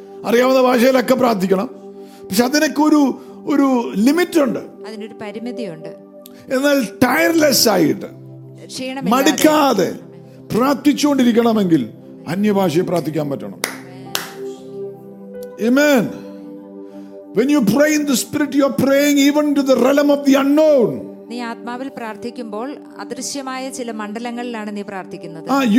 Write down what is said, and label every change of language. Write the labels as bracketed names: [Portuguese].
[Malayalam] അറിയാവുന്ന ഭാഷയിലൊക്കെ പ്രാർത്ഥിക്കണം, പക്ഷെ അതിനൊക്കെ ഒരു ഒരു ലിമിറ്റ് ഉണ്ട്, അതിനൊരു പരിമിതിയുണ്ട്. എന്നാൽ ടയർലെസ് ആയിട്ട് മടുക്കാതെ പ്രാർത്ഥിച്ചുകൊണ്ടിരിക്കണമെങ്കിൽ അന്യഭാഷയെ പ്രാർത്ഥിക്കാൻ പറ്റണം. ആമേൻ. [English] When you pray in the spirit, you are praying even to the realm of the unknown. [Malayalam] നീ ആത്മാവിൽ പ്രാർത്ഥിക്കുമ്പോൾ അദൃശ്യമായ ചില മണ്ഡലങ്ങളിലാണ് നീ പ്രാർത്ഥിക്കുന്നത്.